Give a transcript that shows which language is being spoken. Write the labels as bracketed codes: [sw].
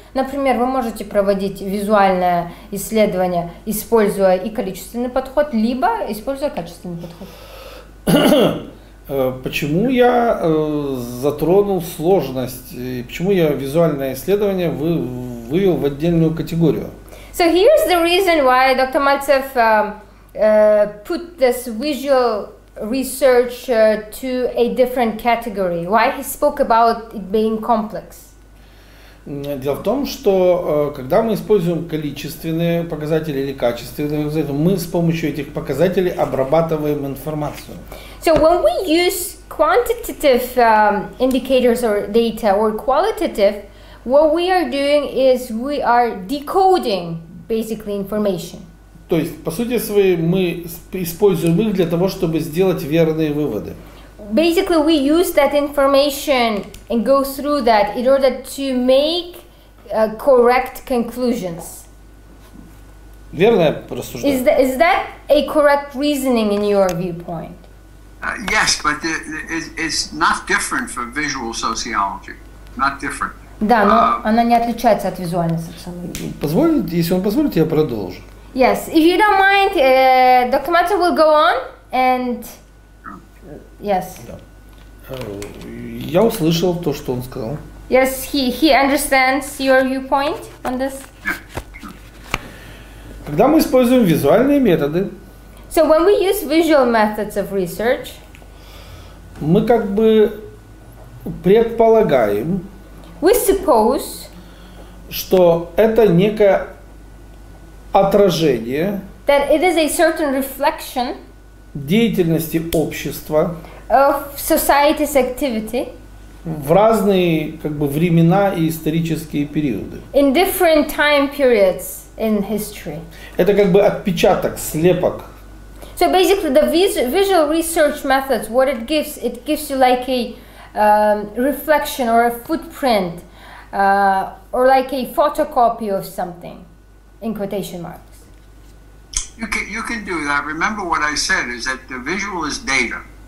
[ru] Например, вы можете проводить визуальное исследование, используя и количественный подход, либо используя качественный подход. Почему я затронул сложность, и почему я визуальное исследование вывел в отдельную категорию? [en] So here's the reason why Dr. Maltsev put this visual research to a different category. Why he spoke about it being complex? [ru] Дело в том, что когда мы используем количественные показатели или качественные показатели, мы с помощью этих показателей обрабатываем информацию. [en] So when we use quantitative indicators or data or qualitative, what we are doing is we are decoding basically information. [ru] То есть, по сути своей, мы используем их для того, чтобы сделать верные выводы. [en] Basically, we use that information and go through that in order to make correct conclusions. [ru] Верно я рассуждаю? [en] Is that a correct reasoning in your viewpoint? Yes, but it's not different for visual sociology. Not different. [ru] Да, но она не отличается от визуальной социологии. Позволите, если он позволит, я продолжу. [en] Yes, if you don't mind, Dr. Matsu will go on, and yes. [ru] Я услышал то, что он сказал. [en] Yes, he understands your viewpoint on this. [ru] Когда мы используем визуальные методы, [en] so when we use visual methods of research, [ru] мы как бы предполагаем, [en] we suppose, [ru] что это некое отражение, [en] that it is a certain reflection, [ru] деятельности общества [en] of society's activity, [ru] в разные как бы времена и исторические периоды, [en] in different time periods in history. [ru] Это как бы отпечаток, слепок. [en] So basically the visual research methods, what it gives you like a reflection or a footprint or like a photocopy of something. In quotation marks. You can do that. Remember what I said is that the visual is data.